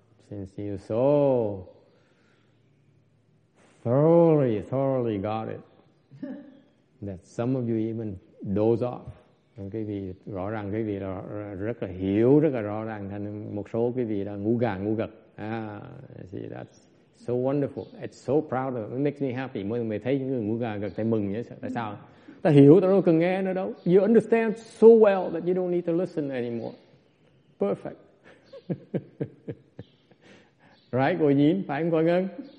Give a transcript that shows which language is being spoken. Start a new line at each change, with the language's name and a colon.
English: Since you so thoroughly got it, that some of you even doze off.
Vietnamese: Quý vị rõ ràng, quý vị rất là hiểu, rất là rõ ràng. Thành một số quý vị là ngu gà, ngu gật.
English: See, that's so wonderful. It's so proud of it. It makes me happy.
Vietnamese: Mọi người thấy những người ngu gà, gật, thấy mừng. Tại sao? Ta hiểu, ta đâu cần nghe nữa đâu.
English: You understand so well that you don't need to listen anymore. Perfect. Right,
Vietnamese: Cô Nhín? Phải không, Cô Ngân?